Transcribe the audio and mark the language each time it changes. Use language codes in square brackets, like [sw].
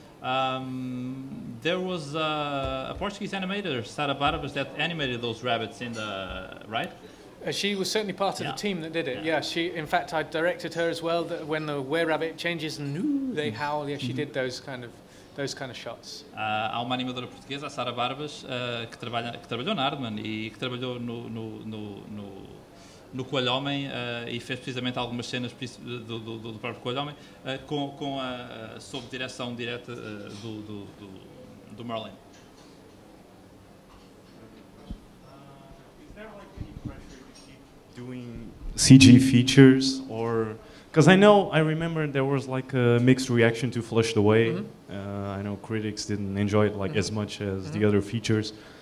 [en] There was a Portuguese animator, Sara Barbas, that animated those rabbits in the, right? She was certainly part of the team that did it. Yeah. She, in fact, I directed her as well. That when the were-rabbit changes and they howl, yeah, she did those kind of shots. [pt] Há uma animadora portuguesa, a Sara Barbas, que trabalhou na Aardman e que trabalhou no Coelho Homem e fez precisamente algumas cenas do próprio Coelho Homem sob direção direta do Merlin. [en] Is there like any pressure to keep doing CG features, or because I remember there was like a mixed reaction to Flushed Away. Mm-hmm. I know critics didn't enjoy it like mm-hmm. as much as mm-hmm. the other features.